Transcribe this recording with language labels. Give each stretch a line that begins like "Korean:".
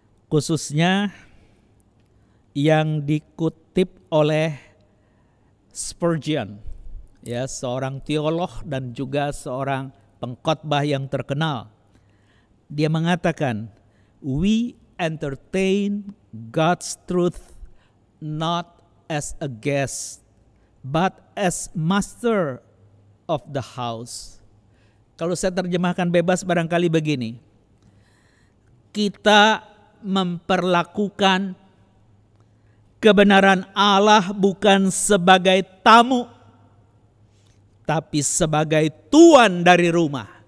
Indonesian: Khususnya yang dikutip oleh Spurgeon, ya, seorang teolog dan juga seorang pengkhotbah yang terkenal. Dia mengatakan,
English: "We entertain God's truth not as a guest, but as master of the house."
Indonesian: Kalau saya terjemahkan bebas barangkali begini. Kita memperlakukan kebenaran Allah bukan sebagai tamu, tapi sebagai tuan dari rumah.